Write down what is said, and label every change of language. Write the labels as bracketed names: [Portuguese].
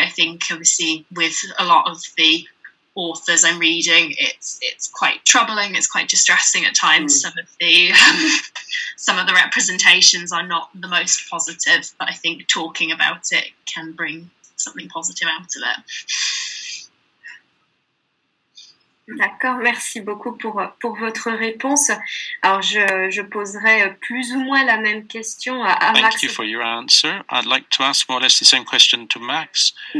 [English] I think, obviously, with a lot of the authors I'm reading, it's quite troubling. It's quite distressing at times. Mm. Some of the representations are not the most positive, but I think talking about it can bring something positive out of it. [French] D'accord, merci beaucoup pour votre réponse. Alors, je poserai plus ou moins la même question à [English] Thank Max. Thank you for your answer. I'd like to ask more or less the same question to Max.